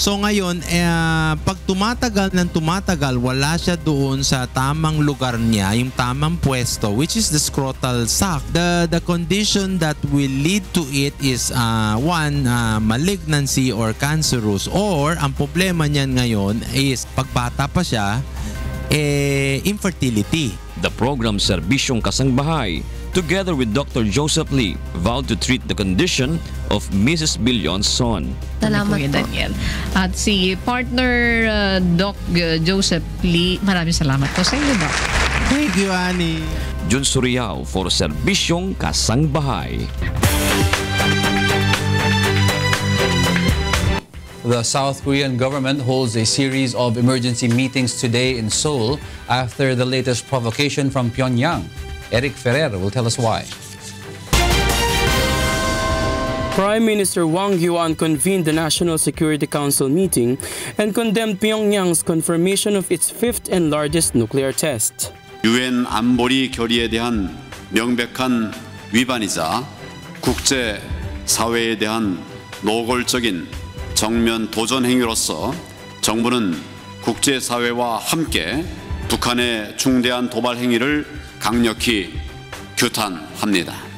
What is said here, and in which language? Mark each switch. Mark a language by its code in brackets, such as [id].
[tl] So ngayon, pag tumatagal ng tumatagal, wala siya doon sa tamang lugar niya, yung tamang pwesto, [en] which is the scrotal sac. The condition that will lead to it is, malignancy or cancerous. [tl] Or ang problema niyan ngayon is, pagbata pa siya, infertility. [en] The program Serbisyong Kasangbahay, together with Dr. Joseph Lee, vowed to treat the condition of Mrs. Bilion's son. [tl] Salamat po, Daniel. At si partner Doc Joseph Lee, maraming salamat po sa inyo, Doc. [en] Thank you, Ani. Jun Suriao for Serbisyong Kasang Bahay. The South Korean government holds a series of emergency meetings today in Seoul after the latest provocation from Pyongyang. Eric Ferrer will tell us why. Prime Minister Wang Yuan convened the National Security Council meeting and condemned Pyongyang's confirmation of its fifth and largest nuclear test. [ko] 유엔 안보리 결의에 대한 명백한 위반이자 국제 사회에 대한 노골적인 정면 도전 행위로서 정부는 국제 사회와 함께 북한의 중대한 도발 행위를 강력히 규탄합니다.